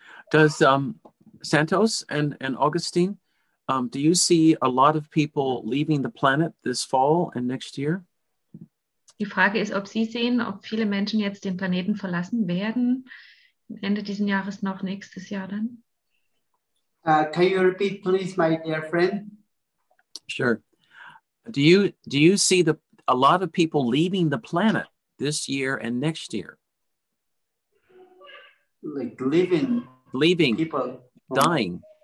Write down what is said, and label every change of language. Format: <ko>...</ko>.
<en>Does Santos and Augustine, do you see a lot of people leaving the planet this fall and next year?</en> <de>Die Frage ist, ob Sie sehen, ob viele Menschen jetzt den Planeten verlassen werden, Ende diesen Jahres noch nächstes Jahr dann.</de> <en>Can you repeat, please, my dear friend? Sure. Do you see a lot of people leaving the planet this year and next year? Like leaving people, dying,</en>